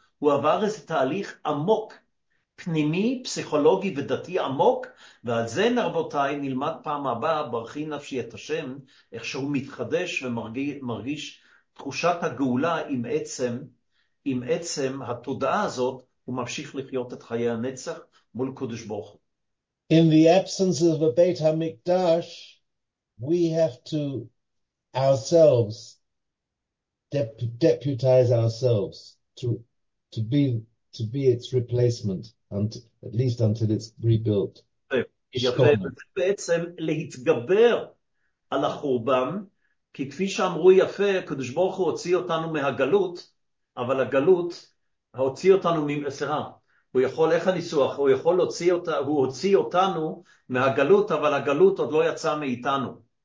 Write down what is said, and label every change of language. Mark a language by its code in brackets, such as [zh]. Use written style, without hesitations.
[he] הוא עבר איזה תהליך עמוק, פנימי, פסיכולוגי ודתי עמוק, ועל זה נרבותיי נלמד פעם הבאה ברכי נפשי את השם, איך שהוא מתחדש ומרגיש תחושת הגאולה עם עצם, עם עצם התודעה הזאת, הוא ממשיך לחיות את חיי הנצח מול קודש ברוך הוא. [en] In the absence of a Beit HaMikdash, we have to ourselves deputize ourselves to be its replacement, and at least until it's rebuilt. [he] יפה, וזה בעצם להתגבר על החורבן, כי כפי שאמרו יפה, הקדוש ברוך הוא הוציא אותנו מהגלות, אבל הגלות הוציא אותנו ממסרה. הוא יכול, איך הניסוח? הוא יכול להוציא אותה, הוא הוציא אותנו מהגלות, אבל הגלות עוד לא יצאה מאיתנו.